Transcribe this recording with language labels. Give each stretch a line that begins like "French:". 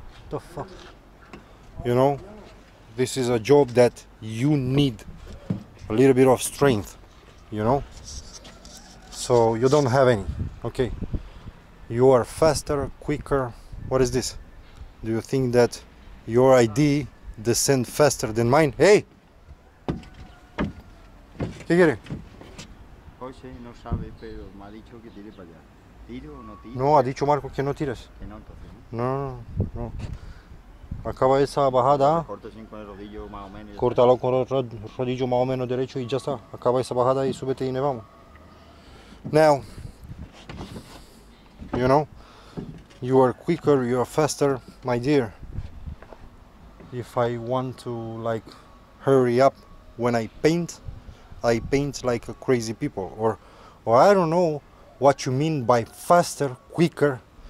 English: The fuck, you know, this is a job that you need a little bit of strength, you know, so you don't have any. Okay, you are faster, quicker. What is this? Do you think that your ID descend faster than mine?
Spanish: Hey, ¿qué quiere? José no sabe, pero me ha dicho que tire para allá. ¿Tiro o no tiro? No, ha dicho Marco que no tires. Que no, entonces, ¿no? No, no. Acaba esa bajada. Córtalo con el rodillo más o menos. Córtalo con el rodillo más o menos derecho y ya está. Acaba esa bajada y súbete y nos vamos.
English: Now, you know, you are quicker, you are faster, my dear. If I want to like hurry up when I paint like a crazy people. Or I don't know what you mean by faster, quicker.